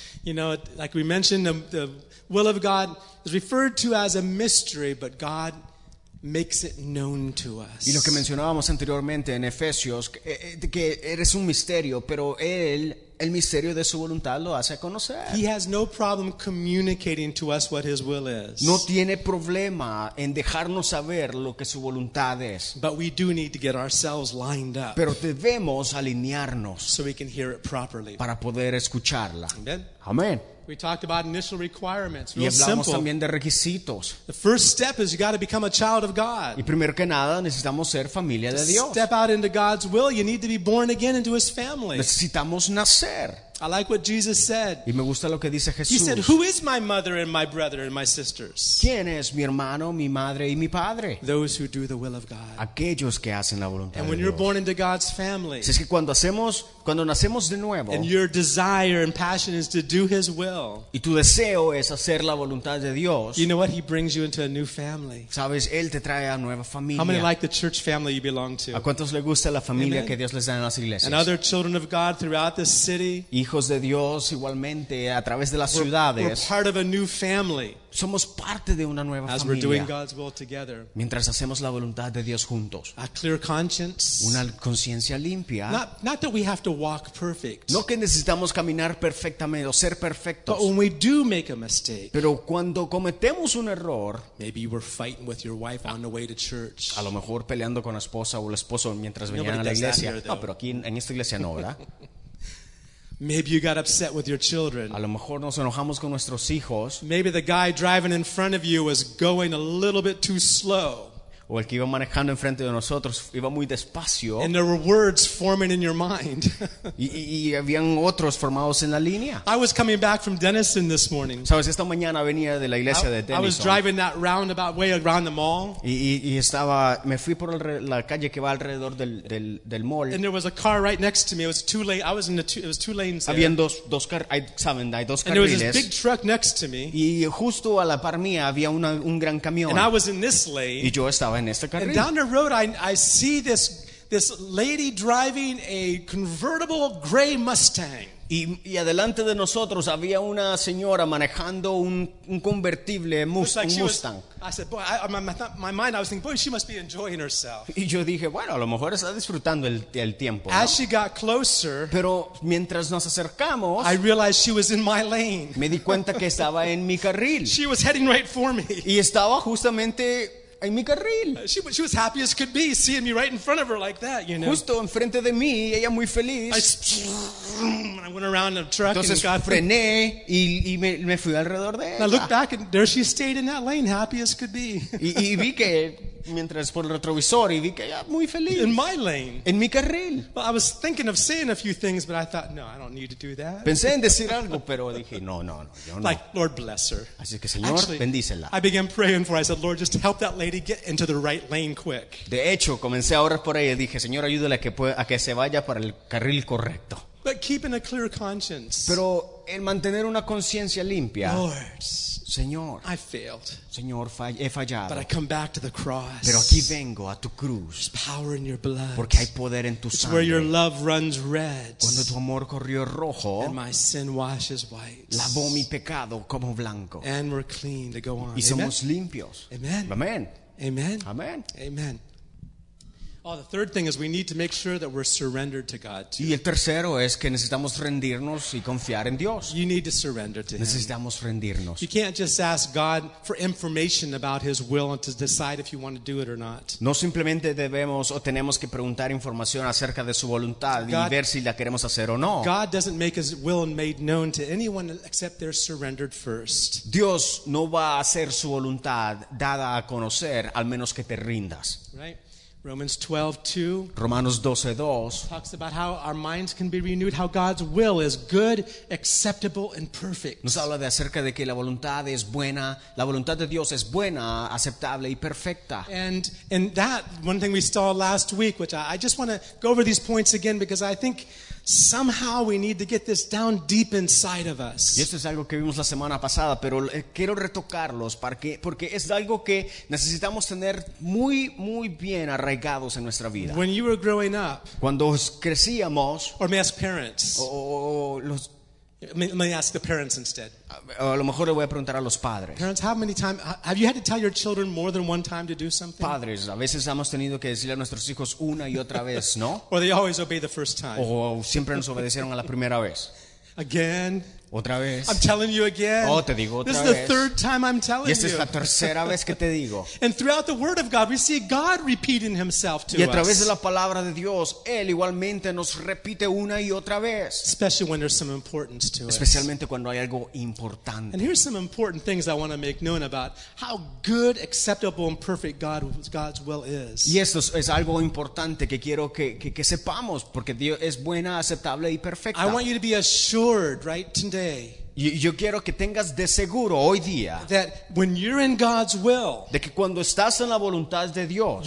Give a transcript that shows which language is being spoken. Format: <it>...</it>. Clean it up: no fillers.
<en>You know, like we mentioned, the will of God is referred to as a mystery, but God makes it known to us.</en> <es>Y lo que mencionábamos anteriormente en Efesios, que eres un misterio, pero él, el misterio de su voluntad lo hace conocer.</es> <en>He has no problem communicating to us what his will is.</en> <es>No tiene problema en dejarnos saber lo que su voluntad es.</es> <en>But we do need to get ourselves lined up.</en> <es>Pero debemos alinearnos</es> <en>so we can hear it properly.</en> <es>Para poder escucharla.</es> <en>Amen.</en> <es>Amén.</es> <en>We talked about initial requirements.</en> <es>Y hablamos también de requisitos.</es> <en>The first step is you got to become a child of God.</en> <es>Y primero que nada, necesitamos ser familia de Dios.</es> <en>Step out into God's will, you need to be born again into his family.</en> <es>Necesitamos nacer.</es> <en>I like what Jesus said.</en> <es>Y me gusta lo que dice Jesús.</es> <en>He said, "Who is my mother and my brother and my sisters?"</en> <es>¿Quién es mi hermano, mi madre y mi padre?</es> <en>Those who do the will of God.</en> <es>Aquellos que hacen la voluntad de Dios.</es> <en>And when you're born into God's family.</en> <es>Si es que cuando nacemos de nuevo.</es> <en>And your desire and passion is to do his will.</en> <es>Y tu deseo es hacer la voluntad de Dios.</es> <en>You know what? He brings you into a new family.</en> <es>¿Sabes? Él te trae a nueva familia.</es> <en>How many like the church family you belong to?</en> <es>¿A cuántos le gusta la familia Amen. Que Dios les da en las iglesias?</es> <en>And other children of God throughout this city.</en> <es>Hijos de Dios igualmente a través de las ciudades.</es> <en>We're part of a new family.</en> <es>Somos parte de una nueva familia.</es> <en>As we're doing God's will together.</en> <es>Mientras hacemos la voluntad de Dios juntos.</es> <en>A clear conscience.</en> <es>Una conciencia limpia.</es> <en>Not that we have to walk perfect.</en> <es>No que necesitamos caminar perfectamente o ser perfectos.</es> <en>But when we do make a mistake.</en> <es>Pero cuando cometemos un error.</es> <en>Maybe you were fighting with your wife on the way to church.</en> <es>A lo mejor peleando con la esposa o el esposo mientras venían a la iglesia.</es> <en>Here,</en> <es>no, pero aquí en esta iglesia no, ¿verdad?</es> <en>Maybe you got upset with your children.</en> <es>A lo mejor nos enojamos con nuestros hijos.</es> <en>Maybe the guy driving in front of you was going a little bit too slow.</en> <es>O el que iba manejando enfrente de nosotros iba muy despacio.</es> <en>And there were words forming in your mind.</en> <es>y habían otros formados en la línea.</es> <en>I was coming back from Denison this morning.</en> <es>Sabes, esta mañana venía de la iglesia de Denison.</es> <en>I was driving that roundabout way around the mall.</en> <es>Y estaba, me fui por la calle que va alrededor del mall.</es> <en>And there was a car right next to me. It was two lane. I was in the two. It was two lanes.</en> <es>Habían dos carriles.</es> <en>And there was this big truck next to me.</en> <es>Y justo a la par mía había un gran camión.</es> <en>And I was in this lane.</en> <es>Y yo estaba.</es> <en>And down the road, I see this lady driving a convertible gray Mustang.</en> <es>Y adelante de nosotros había una señora manejando un convertible Mustang.</es> <en>I said, "Boy, my mind, I was thinking, boy, she must be enjoying herself."</en> <es>Y yo dije, bueno, a lo mejor está disfrutando el tiempo.</es> <en>As she got closer,</en> <es>pero mientras nos acercamos,</es> <en>I realized she was in my lane.</en> <es>Me di cuenta que estaba en mi carril.</es> <en>She was heading right for me.</en> <es>Y estaba justamente en mi carril.</es> <en>She was happy as could be seeing me right in front of her like that, you know.</en> <es>Justo enfrente de mí, ella muy feliz.</es> <en>I went around the truck.</en> <es>Entonces,</es> <en>and got</en> <es>frené y me fui alrededor de ella.</es> <en>I looked back and there she stayed in that lane, happy as could be.</en> <es>Y vi que mientras por el retrovisor y vi que ella muy feliz.</es> <en>In my lane.</en> <es>En mi carril.</es> <en>Well, I was thinking of saying a few things, but I thought, no, I don't need to do that.</en> <es>Pensé en decir algo, pero dije, no, yo no.</es> <en>Like, Lord bless her.</en> <es>Así que Señor, bendícela.</es> <en>I began praying for her. I said, Lord, just help that lady get into the right lane quick.</en> <es>De hecho, comencé a orar por ella y dije, Señor, ayúdale a que se vaya para el carril correcto.</es> <en>But keeping a clear conscience.</en> <es>Pero en mantener una conciencia limpia.</es> <en>Lord,</en> <es>Señor,</es> <en>I failed.</en> <es>Señor, he fallado.</es> <en>But I come back to the cross.</en> <es>Pero aquí vengo a tu cruz.</es> <en>There's power in your blood.</en> <es>Porque hay poder en tu</es> <en>It's</en> <es>sangre.</es> <en>Where your love runs red.</en> <es>Cuando tu amor corrió rojo.</es> <en>And my sin washes white.</en> <es>Lavó mi pecado como blanco.</es> <en>And we're clean to go on.</en> <es>Y somos limpios.</es> <en>Amen. Amen. Amen. Amen. Amen. Oh, the third thing is we need to make sure that we're surrendered to God too.</en> <es>Y el tercero es que necesitamos rendirnos y confiar en Dios.</es> <en>You need to surrender to</en> <es>necesitamos</es> <en>him.</en> <es>Rendirnos.</es> <en>You can't just ask God for information about his will and to decide if you want to do it or not.</en> <es>No simplemente debemos o tenemos que preguntar información acerca de su voluntad y ver si la queremos hacer o no.</es> <en>God doesn't make his will made known to anyone except they're surrendered first.</en> <es>Dios no va a hacer su voluntad dada a conocer al menos que te rindas.</es> <en>Right? Romans 12:2.</en> <es>Romanos 12:2</es> <en>talks about how our minds can be renewed, how God's will is good, acceptable, and perfect.</en> <es>Nos habla de acerca de que la voluntad es buena, la voluntad de Dios es buena, aceptable y perfecta.</es> <en>And that one thing we saw last week, which I just want to go over these points again because I think somehow we need to get this down deep inside of us.</en> <es>Y esto es algo que vimos la semana pasada, pero quiero retocarlos porque es algo que necesitamos tener muy muy bien arraigados en nuestra vida.</es> <en>When you were growing up,</en> <es>cuando crecíamos,</es> <en>or may ask parents,</en> <es>o los</es> <en>Let me ask the parents instead.</en> <es>A lo mejor le voy a preguntar a los padres.</es> <en>Parents, how many times have you had to tell your children more than one time to do something?</en> <es>Padres, a veces hemos tenido que decirle a nuestros hijos una y otra vez, ¿no?</es> <en>Or they always obey the first time.</en> <es>O siempre nos obedecieron a la primera vez.</es> <en>Again.</en> <es>Otra vez.</es> <en>I'm telling you again.</en> <es>Oh, te digo otra</es> <en>this is</en> <es>vez.</es> <en>The third time I'm telling</en> <es>y esta es la tercera vez que te digo.</es> <en>And throughout the Word of God, we see God repeating Himself to</en> <es>y a través</es> <en>us.</en> <es>De la palabra de Dios, Él igualmente nos repite una y otra vez.</es> <en>Especially when there's some importance to</en> <es>especialmente</es> <en>us.</en> <es>Cuando hay algo importante.</es> <en>And here's some important things I want to make known about how good, acceptable, and perfect God's will is.</en> <es>Y esto es algo importante que quiero que sepamos porque Dios es buena, aceptable y perfecta.</es> <en>I want you to be assured, right?</en> <es>Yo quiero que tengas de seguro hoy día</es> <en>that when you're in God's will,</en> <es>de que cuando estás en la voluntad de Dios,</es>